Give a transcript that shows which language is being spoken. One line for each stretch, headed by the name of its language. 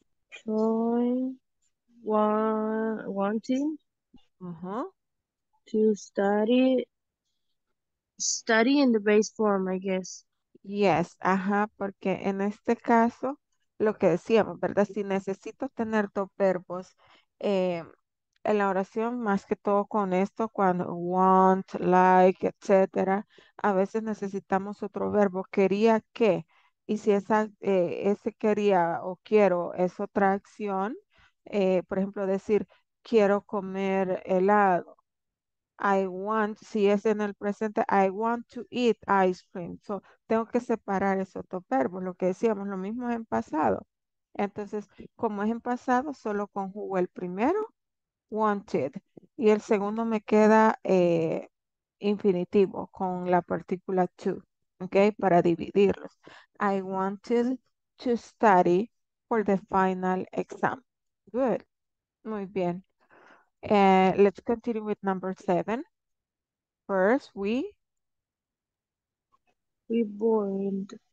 English: Troy wanting to study in the base form, I guess. Yes,
Spanish: ajá, porque en este caso, lo que decíamos, ¿verdad? Si necesito tener dos verbos, en la oración, más que todo con esto, cuando want, like, etcétera, a veces necesitamos otro verbo, quería que, y si esa, ese quería o quiero es otra acción, por ejemplo, decir, quiero comer helado,
English: I want,
Spanish: si es en el presente,
English: I want to eat ice cream,
Spanish: so tengo que separar esos dos verbos, lo que decíamos, lo mismo es en pasado, entonces, como es en pasado, solo conjugo el primero, wanted, y el segundo me queda infinitivo con la partícula to, okay, para dividirlos.
English: I wanted to study for the final exam. Good.
Spanish: Muy bien.
English: Let's continue with number seven. First, we boiled.